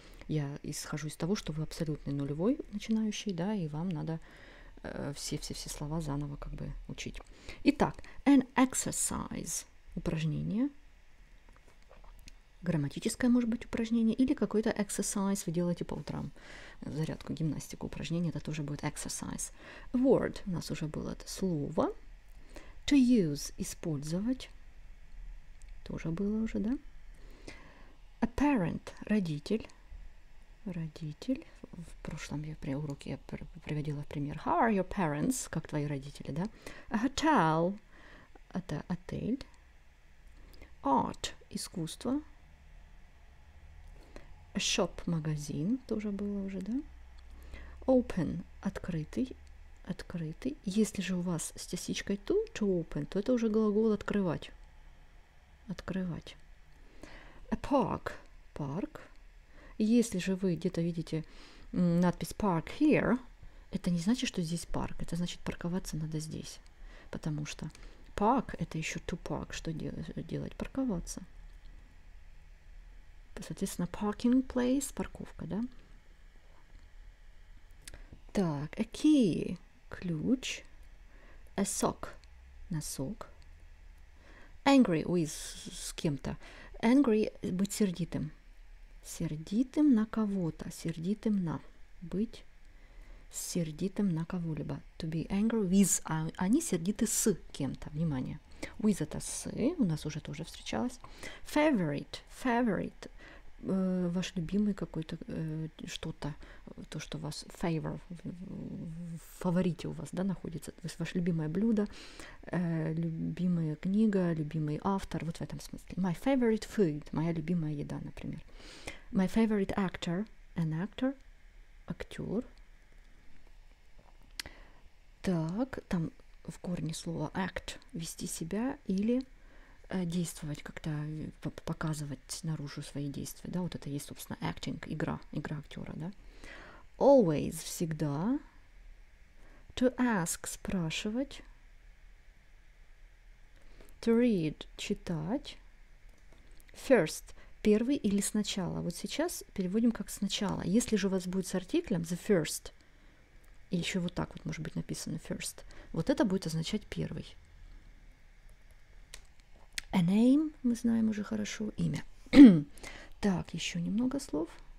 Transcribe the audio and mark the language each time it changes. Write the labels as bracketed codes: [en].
[ru] Я исхожу из того, что вы абсолютный нулевой начинающий, да, и вам надо все-все-все слова заново как бы учить. Итак, an exercise – упражнение. Грамматическое, может быть, упражнение или какой-то exercise вы делаете по утрам. Зарядку, гимнастику, упражнение, это тоже будет exercise. Word у нас уже было это слово. To use – использовать. Тоже было уже, да? [en] A parent – [ru] родитель. Родитель. В прошлом уроке я приводила в пример. [en] How are your parents? [ru] Как твои родители, да? A hotel – это отель. Art – искусство. Shop – магазин, тоже было уже, да? Open – открытый, открытый. Если же у вас с частичкой to open, то это уже глагол открывать, открывать. [en] A park – [ru] парк. Если же вы где-то видите надпись [en] park here, [ru] это не значит, что здесь парк, это значит парковаться надо здесь, потому что park – это еще to park, что делать, парковаться. Соответственно, [en] parking place, [ru] парковка, да? Так, a key, ключ. [en] A sock, [ru] носок. Angry with, с кем-то. Angry, быть сердитым. Сердитым на кого-то, сердитым на. Быть сердитым на кого-либо. [en] To be angry with, [ru] а они сердиты с кем-то, внимание. With это с, у нас уже тоже встречалось. [en] Favorite, favorite. [ru] Ваш любимый какой-то что-то, то, что у вас favor, в фаворите у вас, да, находится. То есть ваше любимое блюдо, любимая книга, любимый автор, вот в этом смысле. [en] My favorite food, [ru] моя любимая еда, например. [en] My favorite actor, an actor, [ru] актер. Так, там в корне слова act, вести себя или... действовать, как-то показывать наружу свои действия, да, вот это есть, собственно, acting, игра актера, да. [en] Always, [ru] всегда. [en] To ask, [ru] спрашивать. [en] To read, [ru] читать. First, первый или сначала. Вот сейчас переводим как сначала. Если же у вас будет с артиклем [en] the first, [ru] и еще вот так вот может быть написано first, вот это будет означать первый. A name, мы знаем уже хорошо, имя. Так, еще немного слов.